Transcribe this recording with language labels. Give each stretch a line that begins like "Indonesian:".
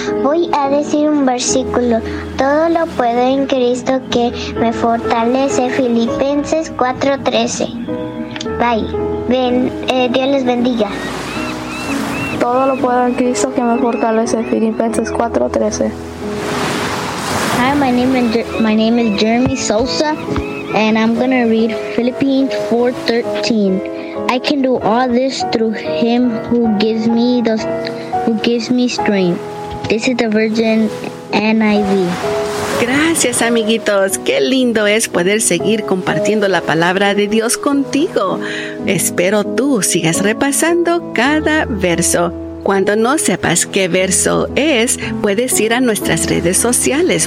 Spanish: Voy a decir un versículo. Todo lo puedo en Cristo que me fortalece. Filipenses 4:13. Bye. Dios les bendiga. Todo lo puedo en Cristo que me fortalece. Filipenses 4:13.
English: Hi, my name is Jeremy Sosa, and I'm going to read Philippians 4:13. I can do all this through Him who gives me strength. This is the Virgin NIV.
Spanish: Gracias, amiguitos. Qué lindo es poder seguir compartiendo la palabra de Dios contigo. Espero tú sigas repasando cada verso. Cuando no sepas qué verso es, puedes ir a nuestras redes sociales.